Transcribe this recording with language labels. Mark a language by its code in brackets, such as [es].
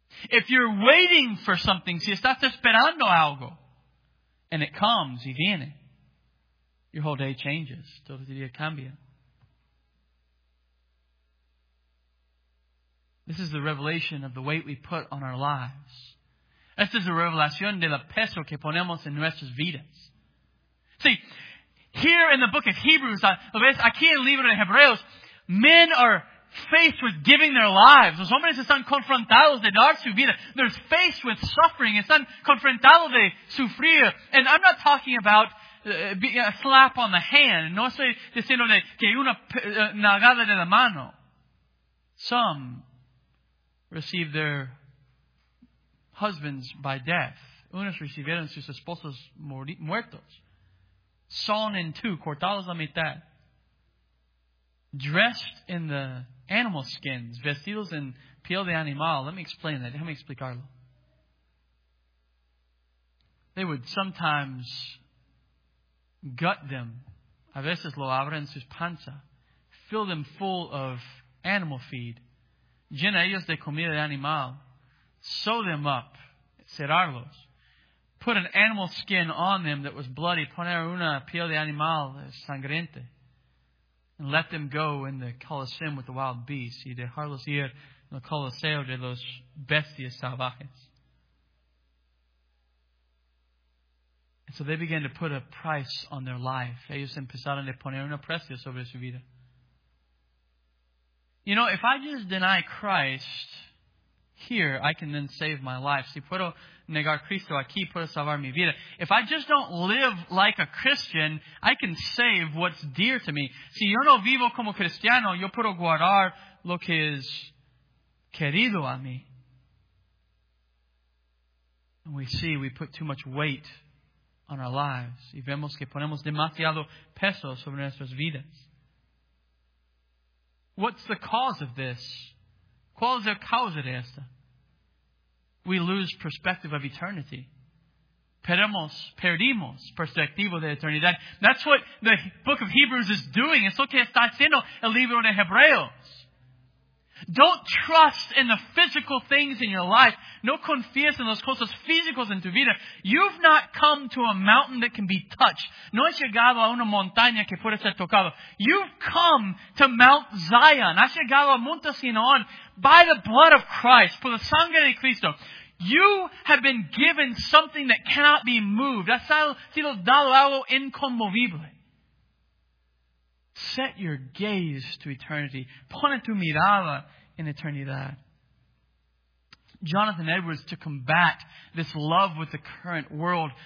[en] If you're waiting for something, [es] si estás esperando algo, [en] and it comes, [es] y viene, [en] your whole day changes, [es] todo tu día cambia. [en] This is the revelation of the weight we put on our lives. [es] Esta es la revelación del peso que ponemos en nuestras vidas. [en] See, here in the book of Hebrews, [es] aquí en el libro de Hebreos, [en] men are faced with giving their lives. [es] Los hombres están confrontados de dar su vida. [en] They're faced with suffering. [es] Están confrontados de sufrir. [en] And I'm not talking about a slap on the hand. [es] No estoy diciendo que una nalgada de la mano. [en] Some receive their husbands by death. [es] Unos recibieron sus esposos muertos. [en] Sawn in two, [es] cortados a mitad. [en] Dressed in the animal skins, [es] vestidos en piel de animal. [en] Let me explain that. Let me [es] explicarlo. [en] They would sometimes gut them. [es] A veces lo abren sus panza. [en] Fill them full of animal feed. [es] Llena ellos de comida de animal. [en] Sew them up. [es] Cerrarlos. [en] Put an animal skin on them that was bloody. [es] Poner una piel de animal sangriente. [en] And let them go in the Colosseum with the wild beasts. [es] Y dejarlos ir en el Coliseo de los bestias salvajes. [en] And so they began to put a price on their life. [es] Ellos empezaron a poner una precio sobre su vida. [en] You know, if I just deny Christ here, I can then save my life. [es] Si puedo negar Cristo aquí, puedo salvar mi vida. [en] If I just don't live like a Christian, I can save what's dear to me. [es] Si yo no vivo como cristiano, yo puedo guardar lo que es querido a mí. [en] And we see we put too much weight on our lives. [es] Y vemos que ponemos demasiado peso sobre nuestras vidas. [en] What's the cause of this? [es] ¿Cuál es la causa de esta? [en] We lose perspective of eternity. [es] Perdimos perspectiva de eternidad. [en] That's what the book of Hebrews is doing. [es] Es lo que está haciendo el libro de Hebreos. [en] Don't trust in the physical things in your life. [es] No confías en las cosas físicas en tu vida. [en] You've not come to a mountain that can be touched. [es] No has llegado a una montaña que puede ser tocado. [en] You've come to Mount Zion. [es] Has llegado a Monte Sinaón [en] by the blood of Christ, [es] por la sangre de Cristo. [en] You have been given something that cannot be moved. [es] Has sido dado algo inconmovible. [en] Set your gaze to eternity. [es] Pone tu mirada en eternidad. [en] Jonathan Edwards, to combat this love with the current world.